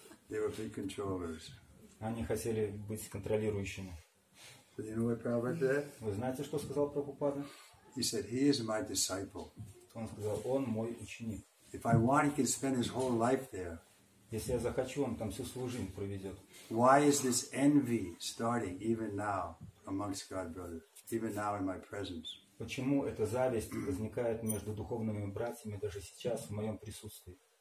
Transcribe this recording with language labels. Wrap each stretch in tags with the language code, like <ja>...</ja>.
<en>They were big controllers.</en> <ru>Они хотели быть контролирующими.</ru> <en>But you know what Prabhupada said?</en> <ru>Вы знаете, что сказал Прабхупада?</ru> <en>He said, he is my disciple.</en> <ru>Он сказал, он мой ученик.</ru> <en>If I want, he can spend his whole life there.</en> <ru>Если я захочу, он там всю свою жизнь проведет.</ru> <en>Why is this envy starting even now amongst God brothers, even now in my presence?</en> <ru>Почему эта зависть возникает между духовными братьями даже сейчас в моем присутствии?</ru>